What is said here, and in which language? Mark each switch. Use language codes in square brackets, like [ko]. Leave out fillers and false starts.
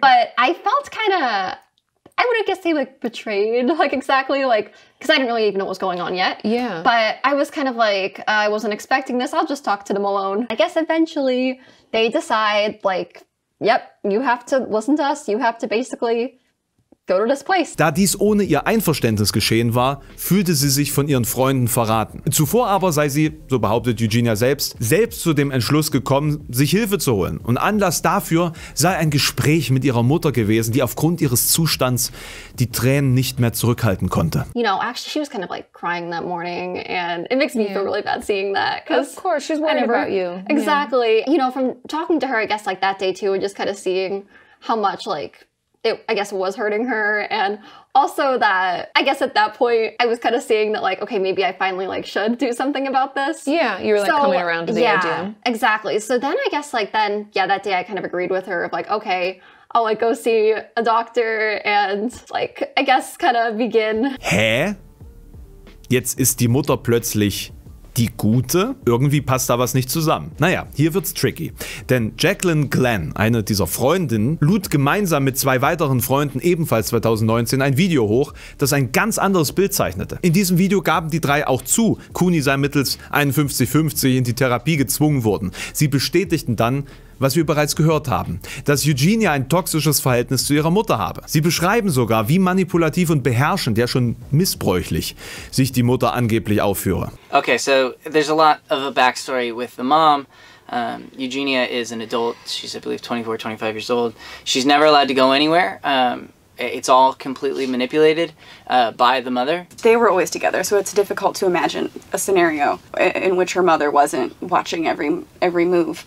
[en] But I felt kind of, I would have guessed they like betrayed, like exactly, like, because I didn't really even know what was going on yet. Yeah. But I was kind of like, I wasn't expecting this. I'll just talk to them alone. I guess eventually they decide, like, yep, you have to listen to us, you have to basically go to this place. [de] Da dies ohne ihr Einverständnis geschehen war, fühlte sie sich von ihren Freunden verraten. Zuvor aber sei sie, so behauptet Eugenia selbst, selbst zu dem Entschluss gekommen, sich Hilfe zu holen. Und Anlass dafür sei ein Gespräch mit ihrer Mutter gewesen, die aufgrund ihres Zustands die Tränen nicht mehr zurückhalten konnte. [en] You know, actually she was kind of like crying that morning and it makes me feel really bad seeing that. Of course, she's worried about you. Exactly. Yeah. You know, from talking to her, I guess like that day too, and just kind of seeing how much like it, I guess, was hurting her. And also that, I guess at that point, I was kind of seeing that like, okay, maybe I finally like should do something about this. Yeah, you were like so, coming around to the idea. Yeah, exactly. So then I guess like then, yeah, that day I kind of agreed with her of like, okay, I'll like go see a doctor and like, I guess kind of begin. Hä? [de] Jetzt ist die Mutter plötzlich die Gute? Irgendwie passt da was nicht zusammen. Naja, hier wird's tricky. Denn Jacqueline Glenn, eine dieser Freundinnen, lud gemeinsam mit zwei weiteren Freunden ebenfalls 2019 ein Video hoch, das ein ganz anderes Bild zeichnete. In diesem Video gaben die drei auch zu, Cooney sei mittels 51-50 in die Therapie gezwungen worden. Sie bestätigten dann, was wir bereits gehört haben, dass Eugenia ein toxisches Verhältnis zu ihrer Mutter habe. Sie beschreiben sogar, wie manipulativ und beherrschend, ja schon missbräuchlich, sich die Mutter angeblich aufführe. [en] Okay, so there's a lot of a backstory with the mom. Eugenia is an adult. She's, I believe, 24, 25 years old. She's never allowed to go anywhere. It's all completely manipulated by the mother. They were always together, so it's difficult to imagine a scenario in which her mother wasn't watching every move.